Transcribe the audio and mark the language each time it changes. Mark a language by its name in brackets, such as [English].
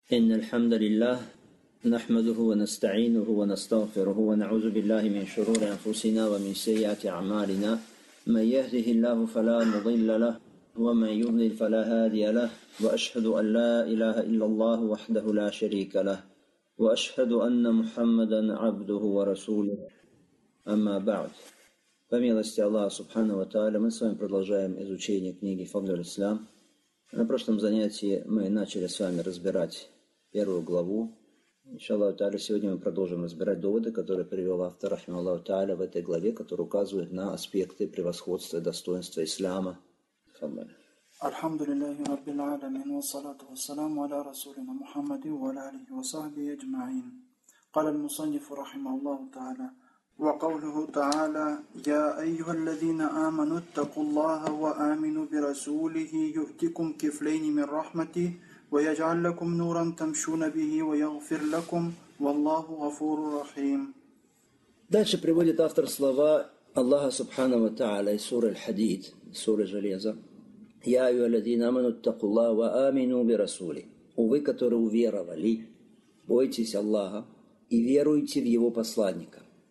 [Arabic] إن الحمد لله نحمده ونستعينه ونستغفره ونعوذ بالله من شرور أنفسنا ومن سيئات أعمالنا. من يهده الله فلا مضل له ومن يضلل فلا هادي له. وأشهد أن لا إله إلا الله وحده لا شريك له وأشهد أن محمدا عبده ورسوله. أما بعد, بمилости الله سبحانه وتعالى, [Russian] мы с вами продолжаем изучение книги Фадл аль-Ислам. На прошлом занятии мы начали с вами разбирать первую главу. Иншаллаху Та'аля, сегодня мы продолжим разбирать доводы, которые привел автор, рахималлаху Та'аля, в этой главе, которые указывают на аспекты превосходства и достоинства ислама. [Arabic] Алхамдулиллахи раббиль аламин, вассалату вассаламу аля расулина Мухаммади ва аля алихи ва сахби аджмаин. Каля аль-мусаннифу рахималлаху Та'аля, ва каулюху Та'аля, я айюха аллазина аману таккуллаха ва амину би расулихи юхтикум кифлейни мин рахмати. ويجعل لكم نورا تمشون به ويغفر لكم والله غفور رحيم. [Russian] Дальше приводит автор слова Аллаха Субхана ва Тааля из суры Аль-Хадид, суры Железа. [Arabic] Я и аллазина аману таккуллаха ва амину би расули. [Russian] О вы, которые уверовали, бойтесь Аллаха и веруйте в его посланника.